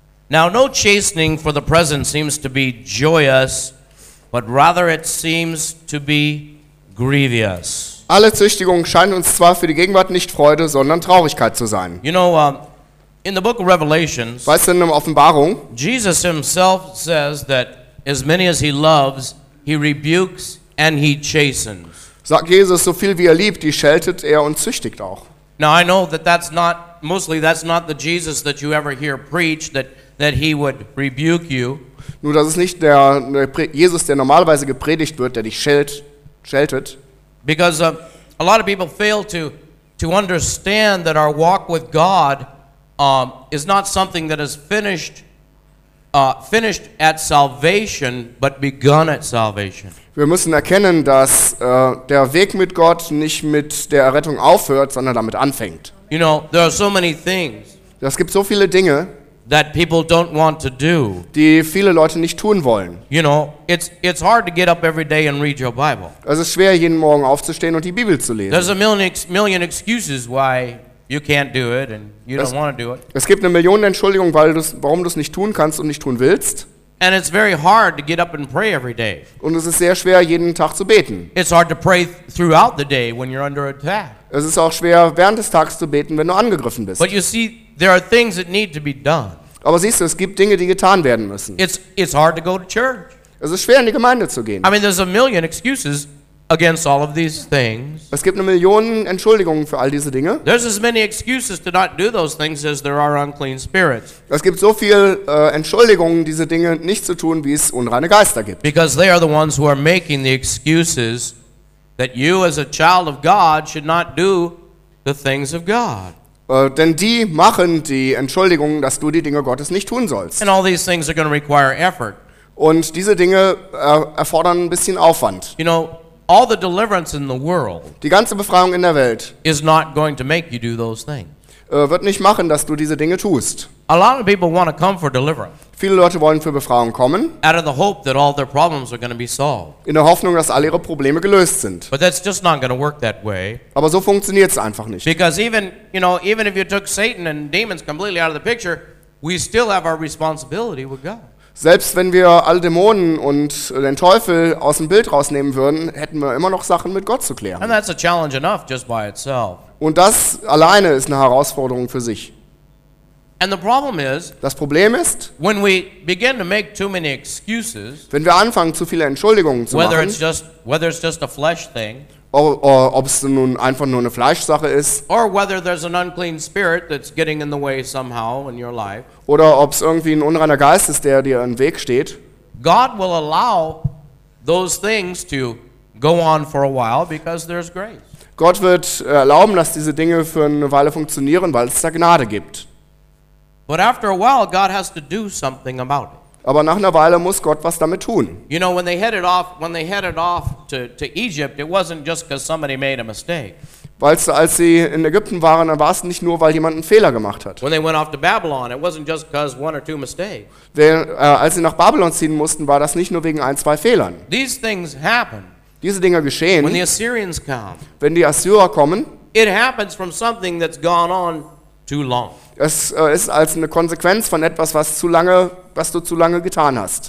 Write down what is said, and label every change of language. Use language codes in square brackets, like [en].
[en] Now, no chastening for the present seems to be joyous, but rather it seems to be grievous. [de] Alle Züchtigung scheint uns zwar für die Gegenwart nicht Freude, sondern Traurigkeit zu sein. [en] You know, in the book of Revelations, [de] weißt du, in der Offenbarung, [en] Jesus himself says that as many as he loves, he rebukes and he chastens. [de] Sagt Jesus, so viel wie er liebt, die scheltet er und züchtigt auch. [en] Now I know that that's not the Jesus that you ever hear preach that he would rebuke you. [de] Nur das ist nicht der Jesus, der normalerweise gepredigt wird, der dich scheltet. [en] Because a lot of people fail to understand that our walk with God is not something that is finished at salvation, but begun at salvation. [de] Wir müssen erkennen, dass der Weg mit Gott nicht mit der Errettung aufhört, sondern damit anfängt. [en] You know, there are so many things. [de] Es gibt so viele Dinge, [en] that people don't want to do. [de] Die viele Leute nicht tun wollen. [en] You know, it's hard to get up every day and read your Bible. [de] Es ist schwer, jeden Morgen aufzustehen und die Bibel zu lesen. [en] There's a million excuses why you can't do it and you don't want to do it. [de] Es gibt eine Million Entschuldigungen, warum du es nicht tun kannst und nicht tun willst. [en] And it's very hard to get up and pray every day. [de] Und es ist sehr schwer, jeden Tag zu beten. [en] It's hard to pray throughout the day when you're under attack. [de] Es ist auch schwer, während des Tages zu beten, wenn du angegriffen bist. [en] But you see, there are things that need to be done. [de] Aber siehst du, es gibt Dinge, die getan werden müssen. [en] It's hard to go to church. [de] Es ist schwer, in die Gemeinde zu gehen. [en] I mean, there's a million excuses against all of these things. [de] Es gibt eine Million Entschuldigungen für all diese Dinge. [en] There's as many excuses to not do those things as there are unclean spirits. [de] Es gibt so viel Entschuldigungen, diese Dinge nicht zu tun, wie es unreine Geister gibt. [en] Because they are the ones who are making the excuses that you as a child of God should not do the things of God. [de] Denn die machen die Entschuldigungen, dass du die Dinge Gottes nicht tun sollst. [en] And all these things are going to require effort. [de] Und diese Dinge erfordern ein bisschen Aufwand. [en] You know, all the deliverance in the world, [de] die ganze Befreiung in der Welt, [en] is not going to make you do those things. [de] Wird nicht machen, dass du diese Dinge tust. [en] A lot of people want to come for deliverance. [de] Viele Leute wollen für Befreiung kommen. [en] Out of the hope that all their problems are going to be solved. [de] In der Hoffnung, dass all ihre Probleme gelöst sind. [en] But that's just not going to work that way. [de] Aber so funktioniert's einfach nicht. [en] Because even, you know, even if you took Satan and demons completely out of the picture, we still have our responsibility with God. [de] Selbst wenn wir alle Dämonen und den Teufel aus dem Bild rausnehmen würden, hätten wir immer noch Sachen mit Gott zu klären. [en] And that's a challenge enough just by itself. [de] Und das alleine ist eine Herausforderung für sich. [en] And the problem is, [de] das Problem ist, [en] when we begin to make too many excuses, [de] wenn wir anfangen, zu viele Entschuldigungen zu [en] whether [de] machen, [en] it's just, whether it's just a flesh thing, [de] ob es nun einfach nur eine Fleischsache ist, [en] or whether there's an unclean spirit that's getting in the way somehow in your life, [de] oder ob es irgendwie ein unreiner Geist ist, der dir im Weg steht, [en] God will allow those things to go on for a while because there's grace. [de] Gott wird erlauben, dass diese Dinge für eine Weile funktionieren, weil es da Gnade gibt. [en] But after a while, God has to do something about it. [de] Aber nach einer Weile muss Gott was damit tun. [en] You know, when they headed off, to Egypt, it wasn't just because somebody made a mistake. [de] Weil als sie in Ägypten waren, dann war es nicht nur, weil jemand einen Fehler gemacht hat. [en] When they went off to Babylon, it wasn't just because one or two mistakes. [de] Als sie nach Babylon ziehen mussten, war das nicht nur wegen ein, zwei Fehlern. [en] These things happen. [de] Diese Dinge geschehen. [en] When the Assyrians come. [de] Wenn die Assyrer kommen. [en] It happens from something that's gone on too long. [de] Es ist als eine Konsequenz von etwas, was du zu lange getan hast.